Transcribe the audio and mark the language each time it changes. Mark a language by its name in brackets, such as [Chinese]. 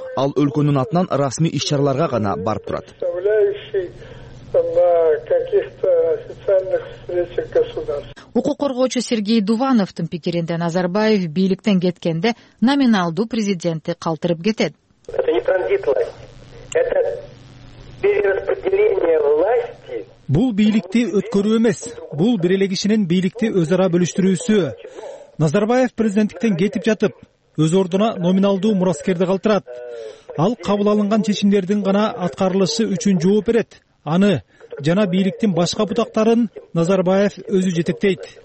[Kyrgyz] Ал өлкөнүн атынан расмий иш-чараларга гана барып турат. Укук коргоочу Сергей Дувановдун пикиринде Назарбаев бийликтен кеткенде номиналдуу президентти калтырып кетет. [Russian] Это не транзитность. Это перераспределение власти. [Kyrgyz] Бул бийликти өткөрүү эмес, бул бир эле кишинин бийликти өз ара бөлүштүрүүсү. Назарбаев президенттиктен кетип жатып, өз ордуна номиналдуу мураскерди калтырат. Ал кабыл алынган чечимдердин гана аткарылышы үчүн жооп берет. Аны жана бийликтин башка бутактарын Назарбаев өзү жетектейт.